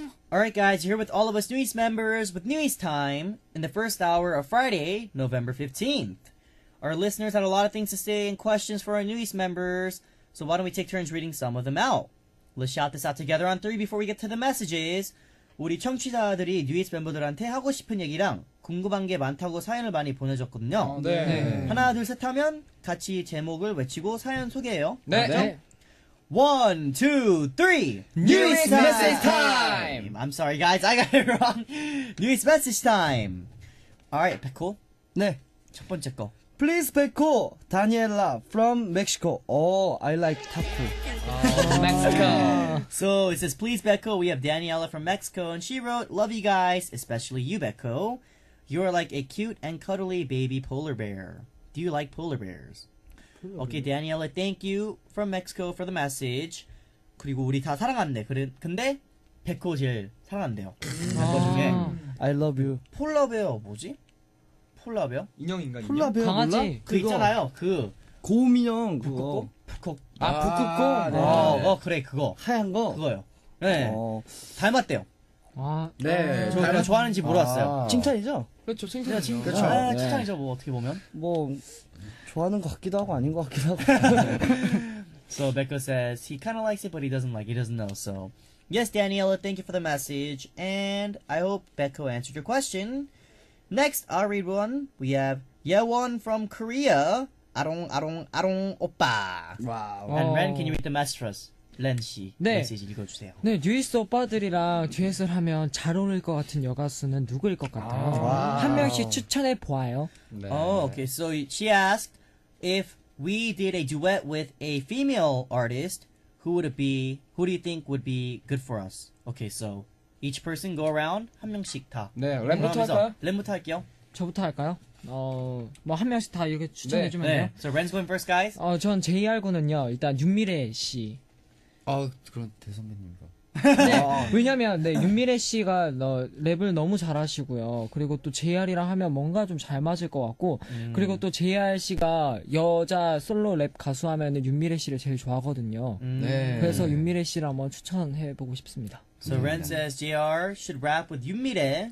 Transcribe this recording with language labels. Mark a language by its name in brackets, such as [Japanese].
[English] Alright guys, you're here with all of us New East members with New East Time in the first hour of Friday, November 15th. Our listeners had a lot of things to say and questions for our New East members, so why don't we take turns reading some of them out? Let's shout this out together on three before we get to the messages. [Korean] 우리 청취자들이 New East 멤버들한테 하고 싶은 얘기랑 궁금한 게 많다고 사연을 많이 보내줬거든요. 네. 하나, 둘, 셋 하면 같이 제목을 외치고 사연 소개해요. 네. 네. [English] 1, 2, 3! New East Message Time! I'm sorry guys, I got it wrong! New East Message Time! Alright, 백호. [Korean] 네. 첫 번째 거. [English] Please, 백호! Daniela from Mexico. Oh, I like taco. Mexico! So, it says, please, 백호, we have Daniela from Mexico, and she wrote, love you guys, especially you, 백호. You are like a cute and cuddly baby polar bear. Do you like polar bears? Okay, Daniela, thank you from Mexico for the message. [Korean] 그리고 우리 다 사랑한대. 근데 백호 제일 사랑한대요. 멤버 중에. [English] I love you. [Korean] 폴라베어 뭐지? 폴라베어? 인형인가? 폴라베어 인형? 강아지? 그 있잖아요. 그 곰 인형 그거. 북극곰? 아, 북극곰? 아, 네. 어, 그래, 그거. 하얀 거? 그거요. 네. 어. 닮았대요. 아, 네. 저 그거 좋아하는지 물어봤어요. 아. 칭찬이죠? 그렇죠, 칭찬이죠. 그렇죠. 네. 네. 칭찬이죠, 뭐 어떻게 보면. 뭐... 좋아하는 것 같기도 하고 아닌 것 같기도 하고. [English] So Becco says he kind of likes it, but he doesn't like it. He doesn't know. So yes, Daniela, thank you for the message, and I hope Becco answered your question. Next, I'll read one. We have Yeowon from Korea. Arong, arong, arong, oppa. Wow. And Ren, can you read the message for us? 렌 씨, [Korean] 네. 메시지 읽어주세요. 네, 뉴이스 오빠들이랑 듀엣을 하면 잘 어울릴 것 같은 여가수는 누구일 것 같아요? 아, 한 명씩 추천해 보아요. [English] 네. Oh, okay. So she asked if we did a duet with a female artist, who would it be? Who do you think would be good for us? Okay, so each person go around [Korean] 한 명씩 다. 네, 렌부터 할까요? 렌부터 할게요. 저부터 할까요? 뭐 한 명씩 다 이렇게 추천해 주면 돼요. [English] 네. So Ren's going first, guys. [Korean] 전 JR군은요. 일단 윤미래 씨. 아, 그런 대선배님과. 네, 왜냐면 네, 윤미래 씨가 랩을 너무 잘하시고요. 그리고 또 JR이랑 하면 뭔가 좀 잘 맞을 것 같고. 그리고 또 JR 씨가 여자 솔로 랩 가수 하면은 윤미래 씨를 제일 좋아하거든요. 네. 그래서 윤미래 씨랑 한번 추천해 보고 싶습니다. [English] So Ren says JR should rap with 윤미래.